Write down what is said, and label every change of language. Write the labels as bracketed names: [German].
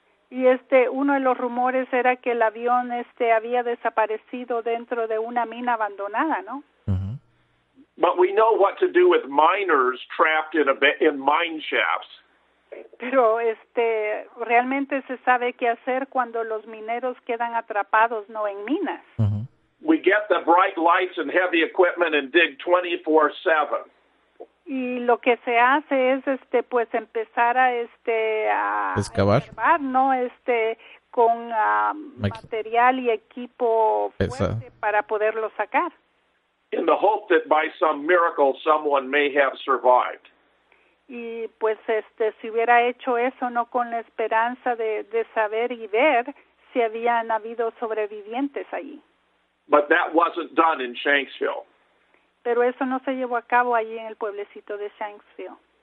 [Spanish] Y uno de los rumores era que el avión había desaparecido dentro de una mina abandonada, ¿no? Mm-hmm. [English] But we know what to do with miners trapped in mine shafts. [Spanish] Pero realmente se sabe qué hacer cuando los mineros quedan atrapados, ¿no?, en minas. Mm-hmm. [English] We get the bright lights and heavy equipment and dig 24/7. [Spanish] Y lo que se hace es empezar a excavar, excavar, ¿no?, con material y equipo fuerte. Esa. Para poderlo sacar. [English] In the hope that by some miracle someone may have survived. [Spanish] Y si hubiera hecho eso, ¿no?, con la esperanza de saber y ver si habían habido sobrevivientes allí. [English] But that wasn't done in Shanksville. [Spanish] Pero eso no se llevó a cabo allí en el pueblecito de Shanksville.